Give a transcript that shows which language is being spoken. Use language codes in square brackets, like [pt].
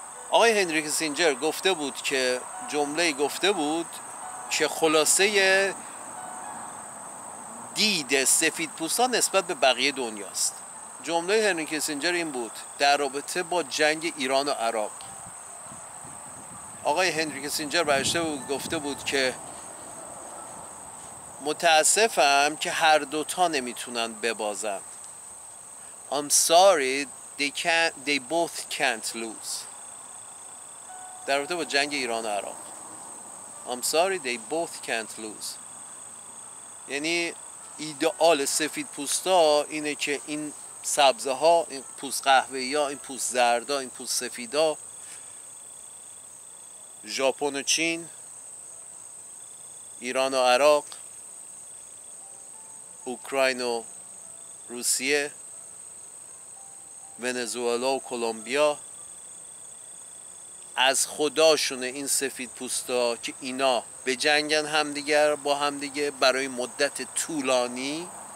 [fa] آقای هنری کیسینجر گفته بود که جمله‌ای گفته بود که خلاصه دید سفید پوستا نسبت به بقیه دنیاست. جمله هنری کیسینجر این بود در رابطه با جنگ ایران و عراق. آقای هنری کیسینجر برشته بود گفته بود که متاسفم که هر دوتا نمیتونن ببازن. [en] I'm sorry they both can't lose. [fa] در رابطه با جنگ ایران و عراق. [en] I'm sorry they both can't lose. [fa] یعنی ایدئال سفید پوستا اینه که این سبزه ها، این پوست قهوه ای ها، این پوست زرد ها، این پوست سفید ها، ژاپن و چین، ایران و عراق، اوکراین و روسیه، ونزوئلا و کولومبیا، از خداشونه این سفید پوستا که اینا به جنگن همدیگر با همدیگه برای مدت طولانی